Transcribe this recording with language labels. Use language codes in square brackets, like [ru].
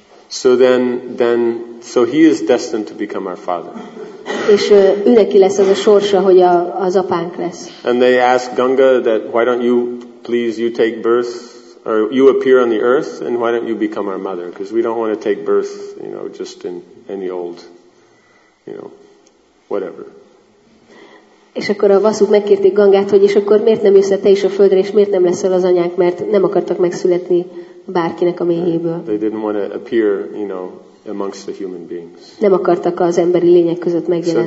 [en] So he is destined to become our father. [hu] És ő neki lesz az a sorsa, hogy az apánk lesz. [en] And they ask Ganga that why don't you please you take birth or you appear on the earth and why don't you become our mother because we don't want to take birth, you know, just in any old, you know, whatever. [hu] És akkor a Vasuk megkérték Gangát, hogy és akkor miért nem jössz te is a földre és miért nem leszel az anyánk, mert nem akartak megszületni bárkinek a méhéből. [en] They didn't want to appear, you know, amongst the human beings. [hu] Nem akartak az emberi lények között megjelenni.